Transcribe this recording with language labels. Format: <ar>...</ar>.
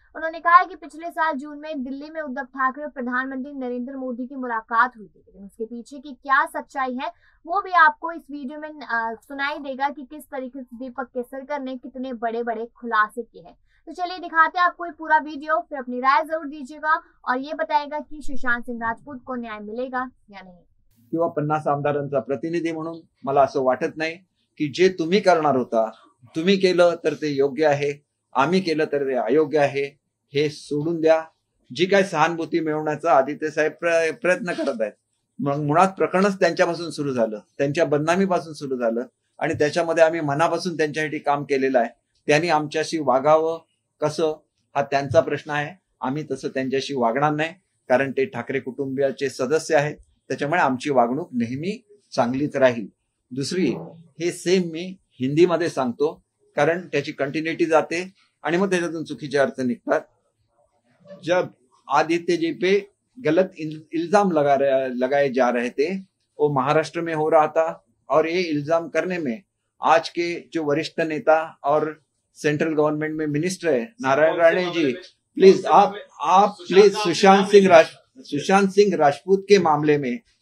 <hi>उन्होंने कहा कि पिछले साल जून में दिल्ली में उद्धव ठाकरे और प्रधानमंत्री नरेंद्र मोदी की मुलाकात हुई थी, लेकिन उसके पीछे की क्या सच्चाई है वो भी आपको इस वीडियो में सुनाई देगा कि किस तरीके से दीपक केसरकर ने कितने बड़े बड़े खुलासे किए हैं। तो चलिए दिखाते हैं आपको ये पूरा वीडियो, फिर अपनी राय जरूर दीजिएगा और ये बताएगा कि सुशांत सिंह राजपूत को न्याय मिलेगा या नहीं।</hi> <mr>किंवा 50 आमदारांचा प्रतिनिधी म्हणून मला असं वाटत नाही की जे तुम्ही करणार होता तुम्ही केलं तर ते योग्य आहे, आम्ही केलं तर ते अयोग्य आहे, हे सोडून द्या। जी काय सहानुभूती मिळवण्याचा आदित्य साहेब प्रयत्न करत आहेत, मग मुळात प्रकरणच त्यांच्यापासून सुरू झालं, त्यांच्या बदनामीपासून सुरू झालं आणि त्याच्यामध्ये आम्ही मनापासून त्यांच्यासाठी काम केलेलं आहे। त्यांनी आमच्याशी वागावं कसं हा त्यांचा प्रश्न आहे, आम्ही तसं त्यांच्याशी वागणार नाही, कारण ते ठाकरे कुटुंबियाचे सदस्य आहेत, त्याच्यामुळे आमची वागणूक नेहमी चांगलीच राहील। दुसरी हे सेम मी हिंदीमध्ये सांगतो कारण त्याची कंटिन्युटी जाते आणि मग त्याच्यातून चुकीचे अर्थ निघतात।</mr> <hi>जब आदित्य जी पे गलत इल्जाम लगाए जा रहे थे, वो महाराष्ट्र में हो रहा था और ये इल्जाम करने में आज के जो वरिष्ठ नेता और सेंट्रल गवर्नमेंट में मिनिस्टर है नारायण राणे जी, प्लीज आप प्लीज सुशांत सिंह राजपूत के मामले में</hi>